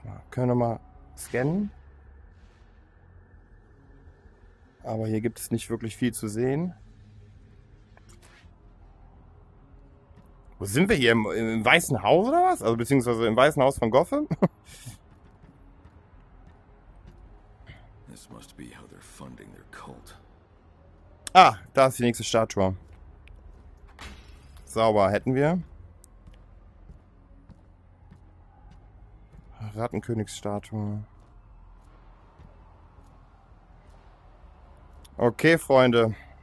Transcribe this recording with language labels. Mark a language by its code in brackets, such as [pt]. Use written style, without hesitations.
[de] Können wir mal scannen. Aber hier gibt es nicht wirklich viel zu sehen. Wo sind wir hier? Im Weißen Haus oder was? Also beziehungsweise im Weißen Haus von Gotham? [en] This must be how they're funding their cult. [de] Ah, da ist die nächste Statue. Sauber, hätten wir. Rattenkönigsstatue. Okay, Freunde.